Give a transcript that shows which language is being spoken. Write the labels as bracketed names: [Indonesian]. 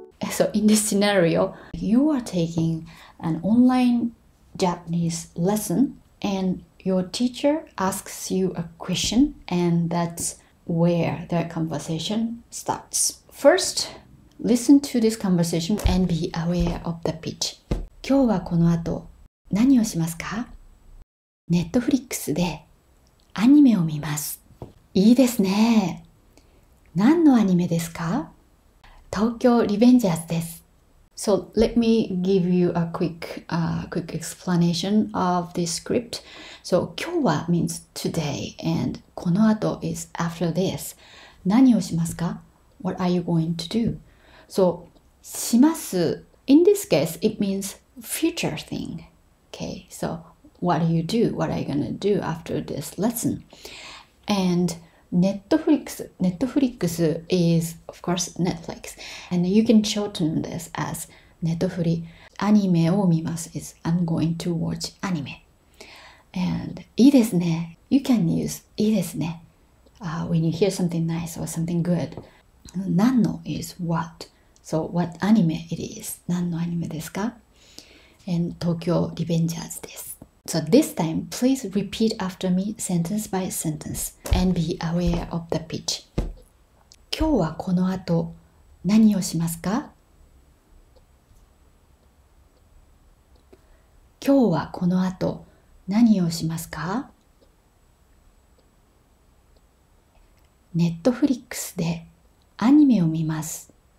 [English] So in this scenario, you are taking an online Japanese lesson and your teacher asks you a question, and that's where the conversation starts. First, listen to this conversation and be aware of the pitch. [Japanese] 今日はこの後何をしますか?Netflix でアニメを見ます。いいですね。何のアニメですか? 東京リベンジャーズです。 [English] So let me give you a quick explanation of this script. So 今日は means today and この後 is after this. [Japanese] 何をしますか? [English] What are you going to do? So します in this case it means future thing. Okay, so what do you do? What are you going to do after this lesson? And Netflix is, of course, Netflix. And you can shorten this as Netflix. Anime [Japanese] を見ます [English] is I'm going to watch anime. And [Japanese] いいですね. [English] You can use いいですね. When you hear something nice or something good. 何の is what. So what anime it is. [Japanese] 何のアニメですか?And Tokyo Revengers です。 [English] So this time, please repeat after me sentence by sentence and be aware of the pitch. [Japanese] 今日はこの後何をしますか? 今日はこの後何をしますか? ネットフリックスでアニメを見ます。